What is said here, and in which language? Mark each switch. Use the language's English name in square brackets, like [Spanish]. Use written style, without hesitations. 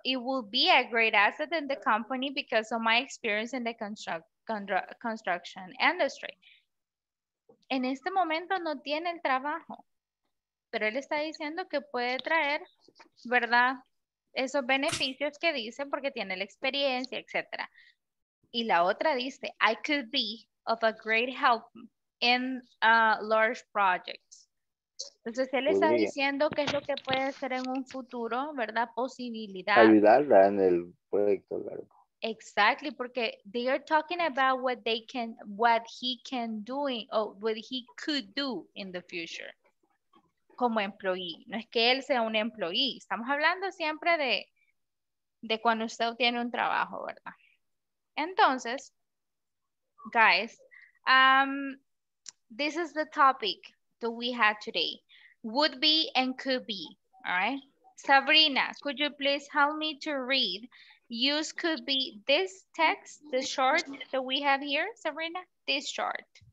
[English] It will be a great asset in the company because of my experience in the construction industry. [Spanish] En este momento no tiene el trabajo, pero él está diciendo que puede traer, ¿verdad?, esos beneficios que dicen porque tiene la experiencia, etc. Y la otra dice, [English] I could be of a great help in large projects. [Spanish] Entonces, él está diciendo qué es lo que puede ser en un futuro, ¿verdad? Posibilidad. Ayudarla en el proyecto largo. [English] Exactly, porque they are talking about what he could do in the future. [Spanish] Como employee, no es que él sea un employee, estamos hablando siempre de cuando usted obtiene un trabajo, ¿verdad? [English] Entonces, guys, this is the topic that we had today, would be and could be, all right? Sabrina, could you please help me to read, use could be this text, the short that we have here, Sabrina, this short.